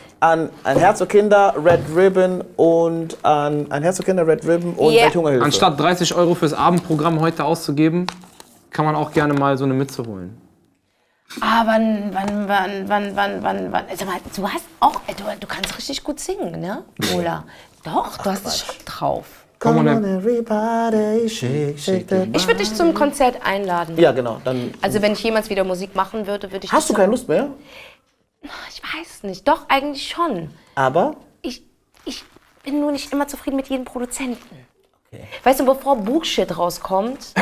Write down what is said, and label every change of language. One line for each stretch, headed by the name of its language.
German: An Herz und Kinder, Red Ribbon und an Herz und Kinder, Red Ribbon und Welthungerhilfe. Anstatt 30 Euro fürs Abendprogramm heute auszugeben, kann man auch gerne mal so eine Mütze holen. Ah, wann? Sag mal, du hast auch, du kannst richtig gut singen, ne? Ola. Doch, du hast es schon drauf.
English: Come on, everybody, shake.
German: Ich würde dich zum Konzert einladen. Ja, genau. Dann, also, wenn ich jemals wieder Musik machen würde, würde ich. Hast du keine Lust mehr? Ich weiß nicht. Doch, eigentlich schon. Aber? Ich bin nur nicht immer zufrieden mit jedem Produzenten. Okay. Weißt du, bevor Bullshit rauskommt.